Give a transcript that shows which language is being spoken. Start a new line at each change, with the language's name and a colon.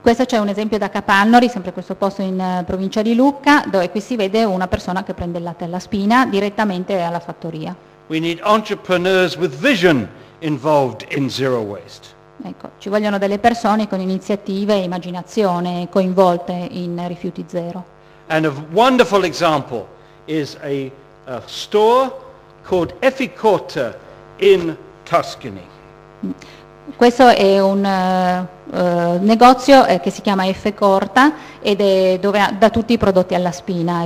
Italian: Questo c'è un esempio da Capannori, sempre questo posto in provincia di Lucca, dove qui si vede una persona che prende il latte alla spina direttamente alla fattoria.
English: We need entrepreneurs with vision involved in zero waste.
Italian: Ecco, ci vogliono delle persone con iniziative e immaginazione coinvolte in rifiuti zero.
English: And a wonderful example is a store called Efficorta in Tuscany.
Italian: Questo è un negozio che si chiama F Corta ed è dove da tutti i prodotti alla spina.